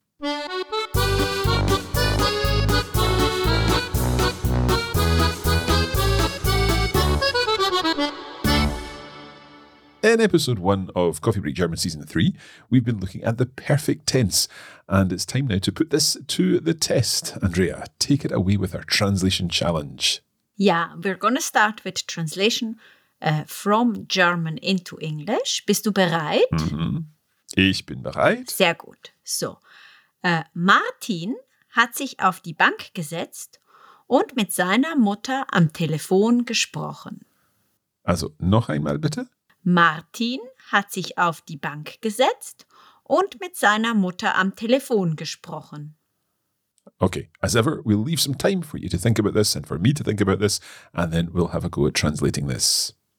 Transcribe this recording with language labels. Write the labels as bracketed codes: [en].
[en] In Episode 1 of Coffee Break German Season 3, we've been looking at the perfect tense, and it's time now to put this to the test. Andrea, take it away with our translation challenge. Yeah, we're going to start with translation from German into English. [de] Bist du bereit? Mm-hmm. Ich bin bereit. Sehr gut. So, Martin hat sich auf die Bank gesetzt und mit seiner Mutter am Telefon gesprochen. Also, noch einmal bitte. Martin hat sich auf die Bank gesetzt und mit seiner Mutter am Telefon gesprochen. [en] Okay, as ever, we'll leave some time for you to think about this and for me to think about this, and then we'll have a go at translating this.